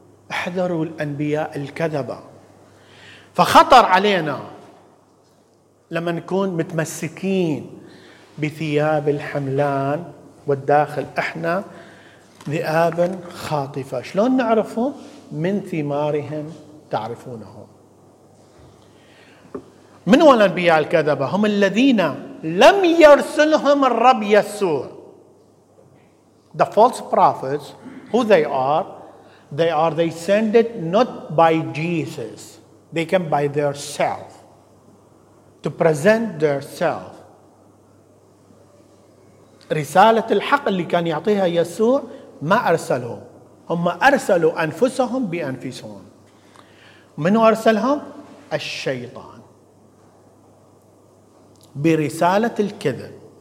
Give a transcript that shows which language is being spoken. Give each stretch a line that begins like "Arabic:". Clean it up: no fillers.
Arabic: احذروا الأنبياء الكذبة. فخطر علينا لما نكون متمسكين بثياب الحملان والداخل إحنا ذئاب خاطفة. شلون نعرفهم؟ من ثمارهم تعرفونهم. من هو الأنبياء الكذبة؟ هم الذين لم يرسلهم الرب يسوع.
English: The false prophets, who they are sent it not by Jesus. They came by their self to present their self.
Arabic: رسالة الحق اللي كان يعطيها يسوع ما أرسله، هم أرسلوا أنفسهم بأنفسهم. من أرسلهم؟ الشيطان برسالة الكذب.